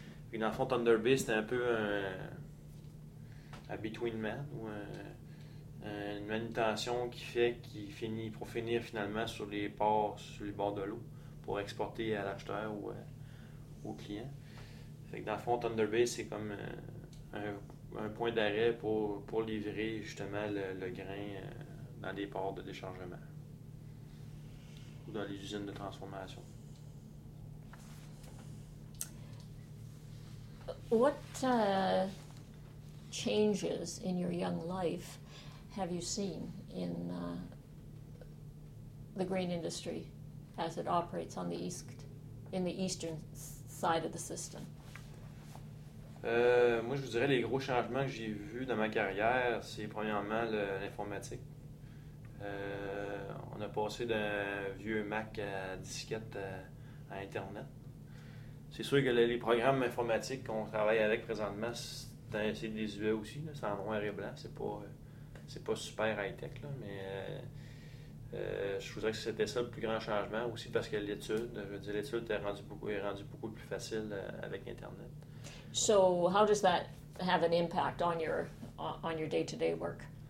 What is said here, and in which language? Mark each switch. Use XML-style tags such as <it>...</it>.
<fr>Puis dans le fond, Thunder Bay, c'était un peu un between man ou une manutention qui fait qu'il finit pour finir finalement sur les ports, sur les bords de l'eau, pour exporter à l'acheteur ou au client. Fait que dans le fond, Thunder Bay, c'est comme un point d'arrêt pour livrer justement le grain dans des ports de déchargement ou dans les usines de transformation.</fr> <en>What changes in your young life have you seen in the grain industry as it operates on the east, in the eastern side of the system?</en> <fr>Moi, je vous dirais les gros changements que j'ai vus dans ma carrière, c'est premièrement l'informatique. On a passé d'un vieux Mac à disquette à Internet. C'est sûr que les programmes informatiques qu'on travaille avec présentement, c'est désuet aussi, c'est en noir et blanc, c'est pas super high-tech, mais je voudrais que c'était ça le plus grand changement aussi parce que l'étude est rendue beaucoup plus facile avec Internet.</fr> <en>So, how does that have an impact on your day-to-day work?</en>